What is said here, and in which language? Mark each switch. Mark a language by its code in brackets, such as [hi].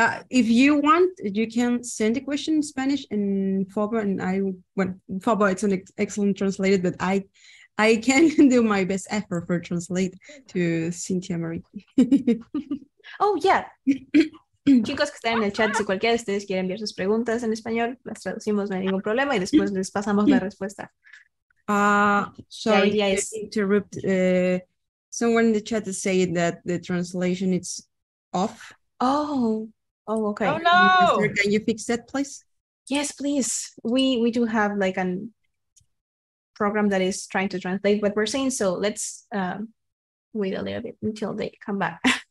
[en] If you want, you can send a question in Spanish in Fobo, and Fobo, it's an excellent translator, but I can do my best effort for translate to Cynthia Marie. Oh, yeah. [es] Chicos que están en el chat, si cualquiera de ustedes quiere enviar sus preguntas en español, las traducimos, no hay ningún problema, y después les pasamos la respuesta. [en] Sorry to interrupt. Someone in the chat is saying that the translation is off. Oh. Oh, okay. Oh, no. Can you fix that, please? Yes, please. We do have a program that is trying to translate what we're saying, so let's wait a little bit until they come back.